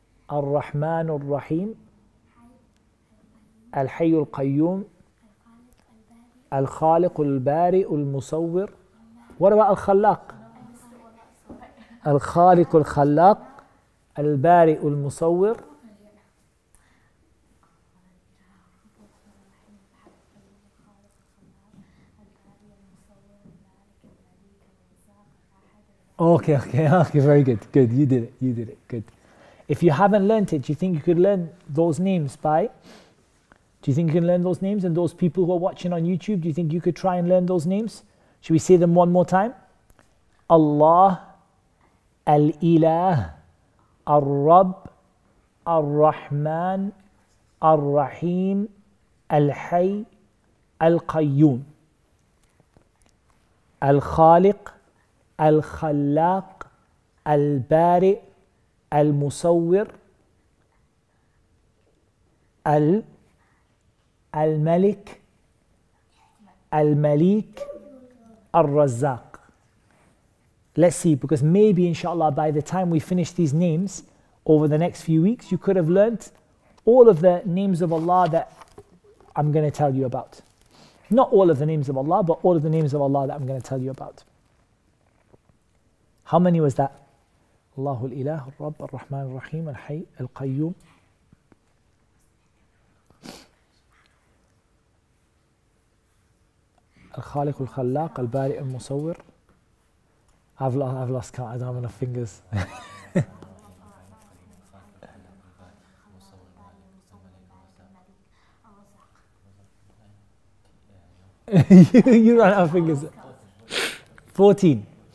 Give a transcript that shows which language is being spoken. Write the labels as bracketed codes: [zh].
[ar] الرحمن الرحيم الحي القيوم الخالق البارئ المصور وربع الخلاق الخالق الخلاق البارئ المصور اوكي اوكي اوكي [en] very good good you did it good. If you haven't learned it, do you think you could learn those names by? Do you think you can learn those names? And those people who are watching on YouTube, do you think you could try and learn those names? Should we say them one more time? Allah, Al-Ilah, Al-Rabb, Al-Rahman, Al-Rahim, Al-Hayy, Al-Qayyum, Al-Khaliq, Al-Khallaq, Al-Bari', المصور الملك المليك الرزاق. Let's see, because maybe inshallah by the time we finish these names over the next few weeks, you could have learned all of the names of Allah that I'm going to tell you about. Not all of the names of Allah, but all of the names of Allah that I'm going to tell you about. How many was that? [ar] الله الإله الرب الرحمن الرحيم الحي القيوم الخالق الخلاق البارئ المصور. [en] I've lost count. I don't have enough fingers. you run out of fingers. 14.